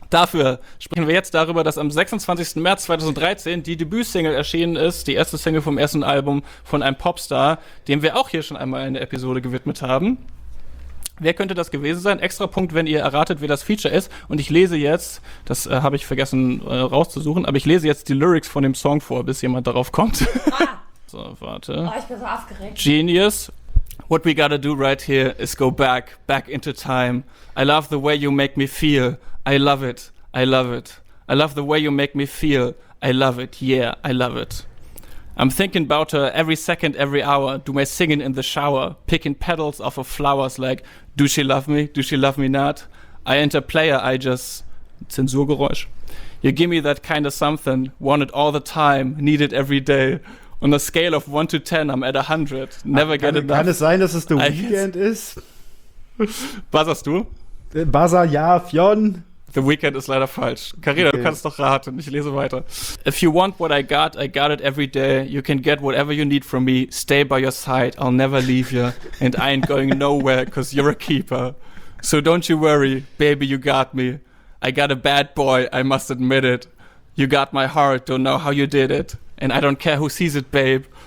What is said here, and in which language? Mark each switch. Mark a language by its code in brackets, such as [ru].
[de] Dafür sprechen wir jetzt darüber, dass am 26. März 2013 die Debütsingle erschienen ist, die erste Single vom ersten Album von einem Popstar, dem wir auch hier schon einmal eine Episode gewidmet haben. Wer könnte das gewesen sein? Extra Punkt, wenn ihr erratet, wer das Feature ist. Und ich lese jetzt, das habe ich vergessen rauszusuchen, aber ich lese jetzt die Lyrics von dem Song vor, bis jemand darauf kommt. Ah. So, warte. Oh, ich bin so aufgeregt. Genius. [en] What we gotta do right here is go back, back into time. I love the way you make me feel. I love it. I love it. I love the way you make me feel. I love it. Yeah, I love it. I'm thinking about her every second, every hour. Do my singing in the shower. Picking petals off of flowers like, do she love me? Do she love me not? I enter player, I just... [de] Zensurgeräusch. [en] You give me that kind of something. Want it all the time. Need it every day. On a scale of 1 to 10, I'm at 100. Never get enough. [de] Kann es sein, dass es The Weeknd ist? Buzzerst du? Buzzer, ja, Fionn. The Weeknd ist leider falsch. Carina, okay. Du kannst doch raten. Ich lese weiter. [en] If you want what I got it every day. You can get whatever you need from me. Stay by your side, I'll never leave you. And I ain't going nowhere, cause you're a keeper. So don't you worry, baby, you got me. I got a bad boy, I must admit it. You got my heart, don't know how you did it. And I don't care who sees it, babe.